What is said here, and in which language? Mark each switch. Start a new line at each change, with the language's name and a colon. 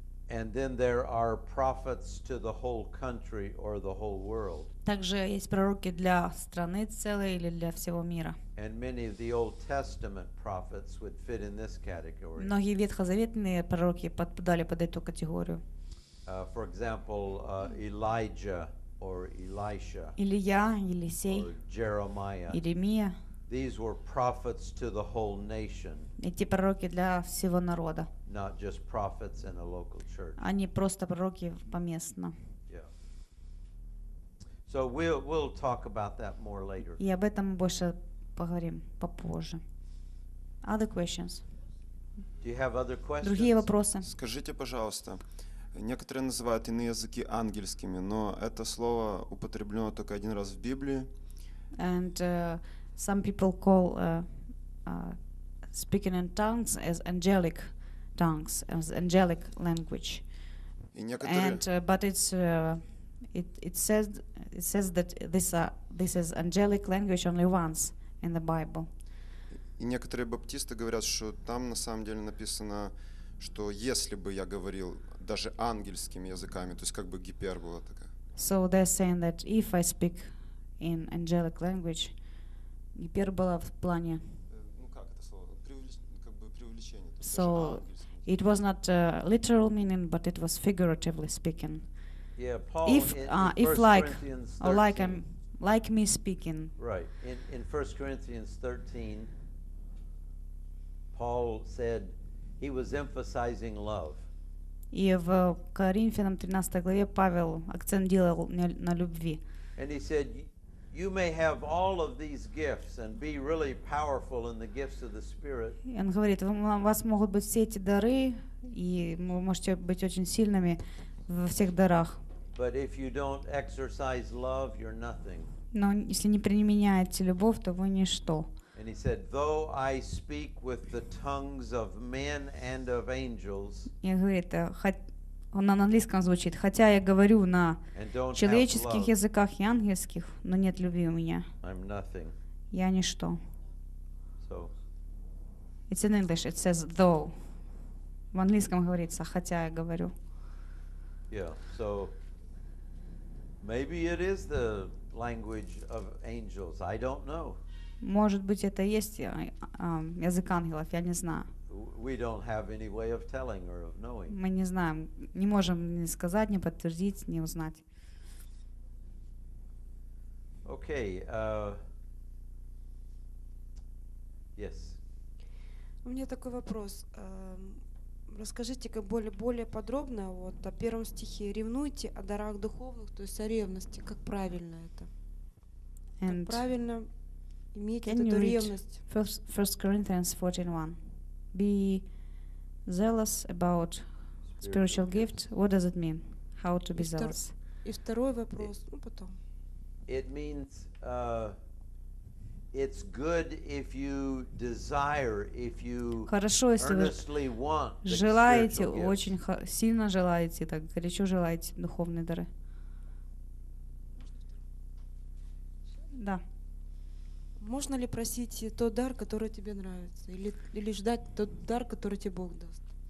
English: And then there are prophets to the whole country or the whole world.
Russian: Также есть пророки для страны целой или для всего мира.
English: And many of the Old Testament prophets would fit in this category.
Russian: Многие ветхозаветные пророки подпадали под эту категорию.
English: For example, Elijah or Elisha.
Russian: Илия, Елисей.
English: Or Jeremiah.
Russian: Иеремия.
English: These were prophets to the whole nation.
Russian: Эти пророки для всего народа.
English: Not just prophets in a local church.
Russian: Они просто пророки поместно.
English: Yeah. So we'll talk about that more later.
Russian: И об этом больше поговорим попозже.
English: Other questions? Do you have other questions?
Russian: Другие вопросы? Скажите, пожалуйста, некоторые называют иные языки ангельскими, но это слово употреблено только один раз в Библии.
English: And some people call speaking in tongues as angelic. Tongues as angelic language, and but it says that this is angelic language only once in the Bible.
Russian: И некоторые баптисты говорят, что там на самом деле написано, что если бы я говорил даже ангельскими языками, то есть как бы гипербола такая.
English: So they're saying that if I speak in angelic language,
Russian: гипербола в плане. Ну как это слово? Как бы преувеличение.
English: So it was not a literal meaning, but it was figuratively speaking. Yeah, Paul, if like, 13, or like I'm, like me speaking. Right. In 1 Corinthians 13, Paul said he was emphasizing love.
Russian: И в Коринфянам 13 главе Павел акцентировал на любви.
English: And he said, you may have all of these gifts and be really powerful in the gifts of the Spirit.
Russian: Он говорит, у вас могут быть все эти дары, и вы можете быть очень сильными во всех дарах.
English: But if you don't exercise love, you're nothing.
Russian: Но если не применяете любовь, то вы ничто.
English: And he said, though I speak with the tongues of men and of angels.
Russian: Я говорит, он на английском звучит. Хотя я говорю на человеческих языках и ангельских, но нет любви у меня.
English: I'm nothing.
Russian: Я ничто.
English: So. It's in English. It says though.
Russian: В английском говорится, хотя я говорю.
English: Yeah. So maybe it is the language of angels. I don't know.
Russian: Может быть, это есть язык ангелов. Я не знаю.
English: We don't have any way of telling or of knowing.
Russian: Мы не знаем, не можем ни сказать, ни подтвердить, ни узнать.
English: Okay. Yes.
Russian: У меня такой вопрос. Расскажите как более подробно вот о первом стихе. Ревнуйте о дарах духовных, то есть о ревности. Как правильно это?
English: And
Russian: как правильно иметь эту ревность.
English: First Corinthians 14:1. Be zealous about spiritual gift. What does it mean? How to be zealous?
Russian: И второй вопрос, ну потом.
English: It means it's good if you desire, if you
Russian: хорошо, если
English: earnestly want.
Russian: Желаете, очень сильно желаете, так горячо желаете духовные дары. Да. Можно ли просить тот дар, который тебе нравится, или ждать тот дар, который тебе Бог даст?